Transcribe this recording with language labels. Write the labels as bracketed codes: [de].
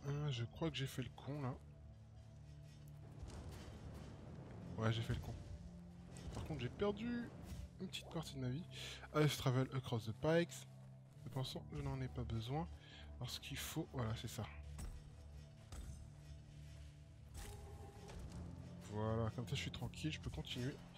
[fr] Je crois que j'ai fait le con là. Ouais, j'ai fait le con. Par contre, j'ai perdu une petite partie de ma vie. [en] Let's travel across the pikes. [fr] Pensant que je n'en ai pas besoin. Alors, ce qu'il faut. Voilà, c'est ça. Voilà, comme ça, je suis tranquille. Je peux continuer.